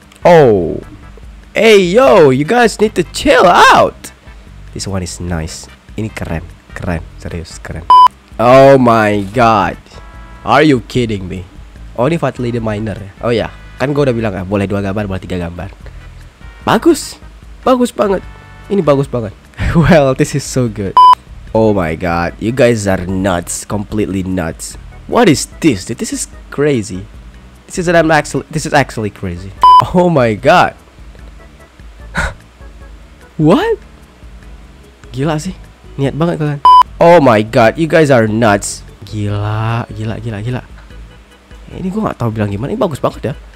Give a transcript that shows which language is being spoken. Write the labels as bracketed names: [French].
[English] Oh, hey yo, you guys need to chill out. This one is nice. [Indonesian] Ini keren, keren, serius keren. [English] Oh my god, are you kidding me? [Indonesian] Oh ini Fatley the Miner ya. Oh ya, yeah. Kan gue udah bilang ya, boleh 2 gambar, boleh 3 gambar. Bagus, bagus banget. Ini bagus banget. [English] Well, this is so good. Oh my god, you guys are nuts, completely nuts. What is this? This is crazy. This is actually crazy. Oh my god. [Indonesian] What? Gila sih. Niat banget kalian. [English] Oh my god, you guys are nuts. [Indonesian] Gila. Ini gua enggak tahu bilang gimana. Ini bagus banget ya.